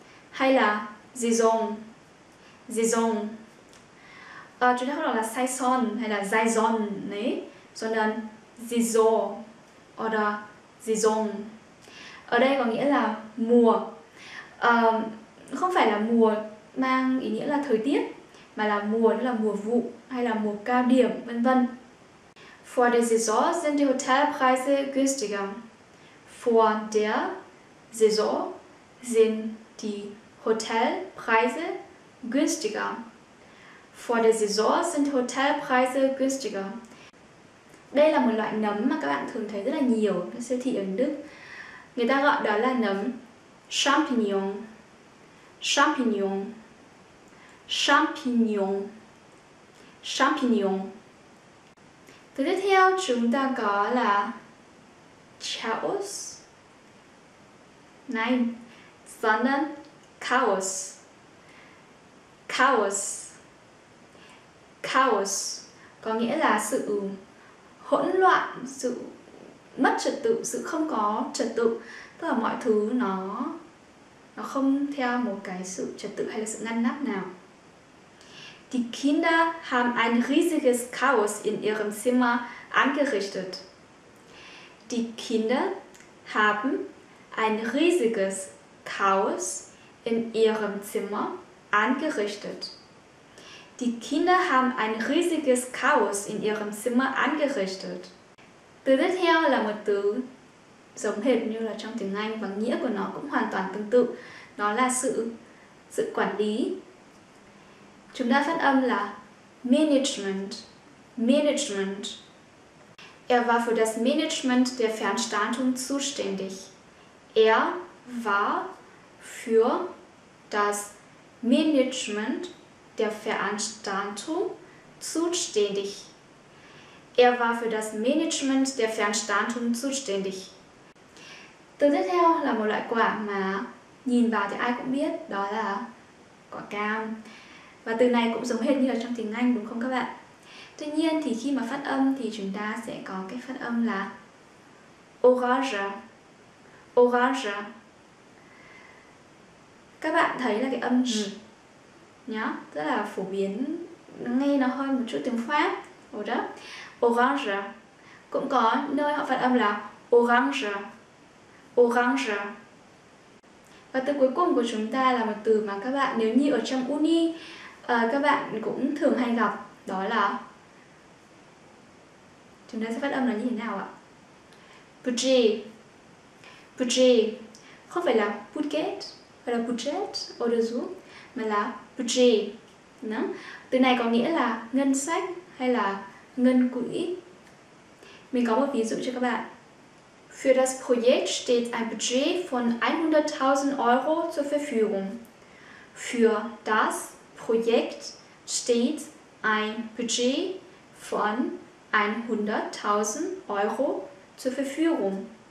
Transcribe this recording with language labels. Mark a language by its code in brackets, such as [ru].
[vi] Hay là Dijon. Dijon. À, chúng ta không đọc là Saison hay là Dijon đấy. Cho nên Dijon order Dijon. Ở đây có nghĩa là mùa. À, không phải là mùa mang ý nghĩa là thời tiết, mà là mùa là mùa vụ hay là mùa cao điểm vân vân. [de] Vor der Saison sind die Hotelpreise günstiger. Vor der Saison sind die Hotelpreise günstiger. Vor der Saison sind Hotelpreise günstiger. [vi] Đây là một loại nấm mà các bạn thường thấy rất là nhiều ở siêu thị ở Đức. Người ta gọi đó là nấm champignon. Champignon. Champignon. Champignon. Từ tiếp theo chúng ta có là Chaos. [de] Nein, sondern Chaos. Chaos. [vi] Chaos có nghĩa là sự hỗn loạn, sự mất trật tự, sự không có trật tự. Tức là mọi thứ nó không theo một cái sự trật tự hay là sự ngăn nắp nào. [de] Die Kinder haben ein riesiges Chaos in ihrem Zimmer angerichtet. Die Kinder haben ein riesiges Chaos in ihrem Zimmer angerichtet. Die Kinder haben ein riesiges Chaos in ihrem Zimmer angerichtet. [vi] Từ tiếp theo là một từ giống hệt như là trong tiếng Anh và nghĩa của nó cũng hoàn toàn tương tự. Nó là sự quản lý. Chúng ta phát âm là Management. Management. [de] Er war für das Management der Veranstaltung zuständig. Er war für das Management der Veranstaltung zuständig. Er war für das Management der Veranstaltung zuständig. [vi] Từ tiếp theo là một loại quả mà nhìn vào thì ai cũng biết, đó là quả cam. Và từ này cũng giống hệt như là trong tiếng Anh đúng không các bạn? Tuy nhiên thì khi mà phát âm thì chúng ta sẽ có cái phát âm là Orange. Orange. Các bạn thấy là cái âm R nhá, rất là phổ biến, nghe nó hơi một chút tiếng Pháp. Orange. Cũng có nơi họ phát âm là Orange. Orange. Và từ cuối cùng của chúng ta là một từ mà các bạn nếu như ở trong uni các bạn cũng thường hay gặp, đó là chúng ta sẽ phát âm nó như thế nào ạ? Budget. Budget. Không phải là budget hay là budget order zoo, mà là budget. Đó. Từ này có nghĩa là ngân sách hay là ngân quỹ. Mình có một ví dụ cho các bạn. [de] Für das Projekt steht ein Budget von 100.000 Euro zur Verfügung. Für das Projekt steht ein Budget von 100.000 Euro zur Verfügung.